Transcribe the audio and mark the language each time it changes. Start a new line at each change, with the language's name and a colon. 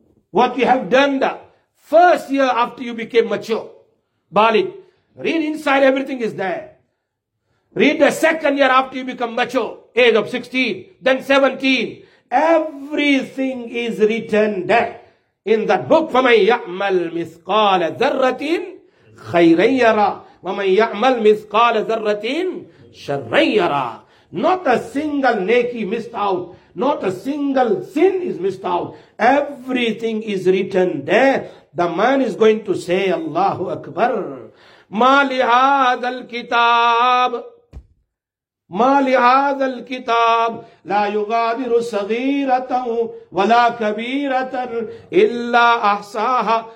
English: What you have done the first year after you became mature. Baligh. Read inside, everything is there. Read the second year after you become mature. Age of 16. Then 17. Everything is written there. In that book,
Arabic: فَمَنْ يَعْمَلْ مِثْقَالَ ذَرَّةٍ خَيْرًا يَرَى وَمَنْ يَعْمَلْ مِثْقَالَ ذَرَّةٍ شَرًّا يَرَى.
English: Not a single neki missed out. Not a single sin is missed out. Everything is written there. The man is going to say, Allahu Akbar.
Arabic: مَا لِهَذَا الْكِتَابِ مَالِهَذَا الْكِتَابِ لَا يُغَادِرُ صَغِيرَةً وَلَا كَبِيرَةً إِلَّا أَحْصَاهَا.